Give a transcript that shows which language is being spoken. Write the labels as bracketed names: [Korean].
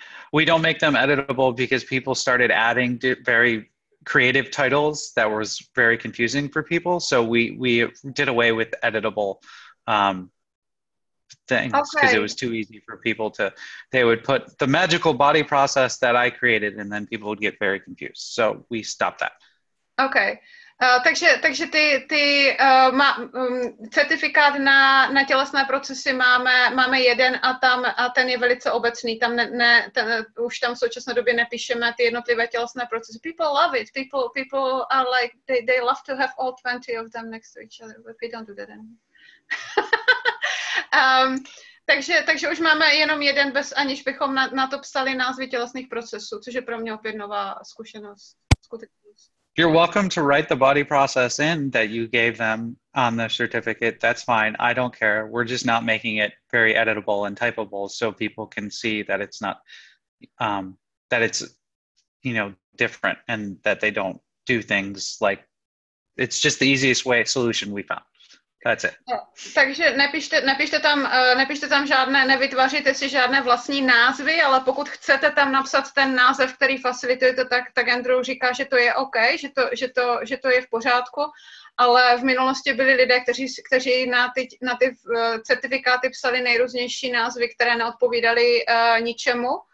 [English] We don't make them editable because people started adding very creative titles that was very confusing for people. So we did away with editable things because it was too easy for people to, they would put the magical body process that I created and then people would get very confused. So we stopped that. Okay. [Czech] Takže certifikát na tělesné procesy máme jeden a ten je velice obecný. Tam už tam v současné době nepíšeme ty jednotlivé tělesné procesy. [English] People love it. People are like they love to have all 20 of them next to each other, but we don't do that anymore. [Czech] takže už máme jenom jeden bez aniž bychom na to psali názvy tělesných procesů, což je pro mě opět nová zkušenost. [English] You're welcome to write the body process in that you gave them on the certificate. That's fine. I don't care. We're just not making it very editable and typable so people can see that it's not, that it's, you know, different and that they don't do things like, it's just the easiest way solution we found. That's it. [Czech] Takže nepište tam žádné, nevytvoříte si žádné vlastní názvy, ale pokud chcete tam napsat ten název, který facilitujete, tak Andrew říká, že to je OK, že to je v pořádku, ale v minulosti byli lidé, kteří na ty certifikáty psali nejrůznější názvy, které neodpovídaly ničemu.